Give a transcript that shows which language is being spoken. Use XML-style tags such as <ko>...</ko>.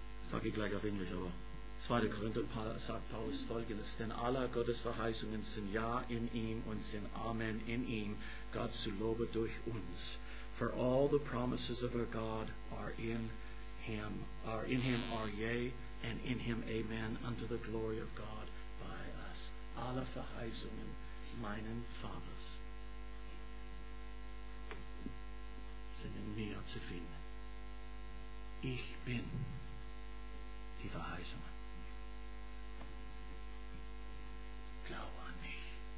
<de>Sage ich gleich auf Englisch, aber 2. Korinther sagt Paulus folgendes: Denn alle Gottes Verheißungen sind Ja in ihm und sind Amen in ihm, Gott zu loben durch uns.</de> <en>For all the promises of our God are in him yea, and in him Amen, unto the glory of God by us.</en> <de>Alle Verheißungen meinen Vaters sind in mir zu finden. Ich bin die Verheißungen. Glaube an mich.</de>